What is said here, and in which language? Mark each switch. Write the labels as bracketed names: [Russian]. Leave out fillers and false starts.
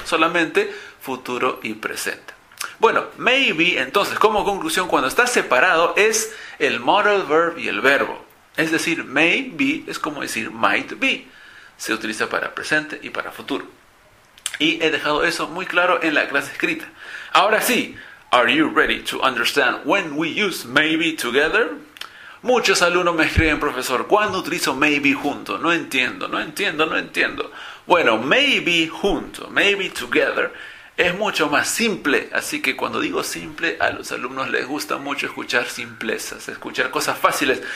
[Spanish] Solamente futuro y presente. Bueno, maybe, entonces, como conclusión, cuando está separado es el modal verb y el verbo. Es decir, maybe es como decir might be. Se utiliza para presente y para futuro. Y he dejado eso muy claro en la clase escrita. [English] Ahora sí, are you ready to understand when we use maybe together? [Spanish] Muchos alumnos me escriben, profesor, ¿cuándo utilizo maybe junto? No entiendo, no entiendo, no entiendo. Bueno, maybe junto, maybe together. Es mucho más simple, así que cuando digo simple, a los alumnos les gusta mucho escuchar simplezas, escuchar cosas fáciles.